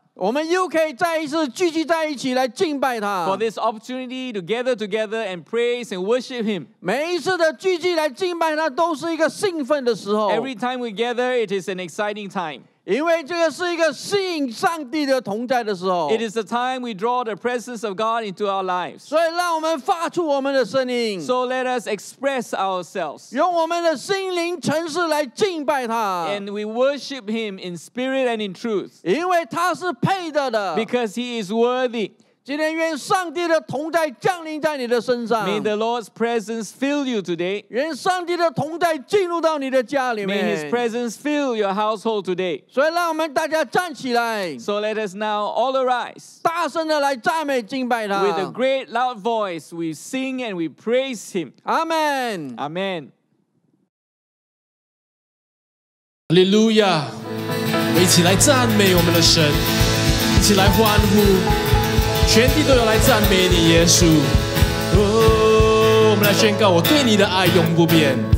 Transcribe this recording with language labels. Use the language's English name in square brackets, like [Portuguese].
[Chinese] 我们又可以再一次聚集在一起来敬拜他。 [English] For this opportunity to gather together and praise and worship Him. [Chinese] 每一次的聚集来敬拜他都是一个兴奋的时候。 [English] Every time we gather, it is an exciting time. [Chinese] 因为这个是一个吸引上帝的同在的时候 [English] It is the time we draw the presence of God into our lives [Chinese] 所以让我们发出我们的声音 [English] So let us express ourselves [Chinese] 用我们的心灵诚实来敬拜他 [English] And we worship him in spirit and in truth [Chinese] 因为他是配得的 [English] Because he is worthy [Chinese] 今天愿上帝的同在降临在你的身上 [English] May the Lord's presence fill you today [Chinese] 愿上帝的同在进入到你的家里面 [English] May his presence fill your household today [Chinese] 所以让我们大家站起来 [English] So let us now all arise [Chinese] 大声的来赞美敬拜他 [English] With a great loud voice we sing and we praise him Amen Amen [Chinese] Hallelujah 我们一起来赞美我们的神一起来欢呼全地都要来赞美你耶稣、oh, 我们来宣告我对你的爱永不变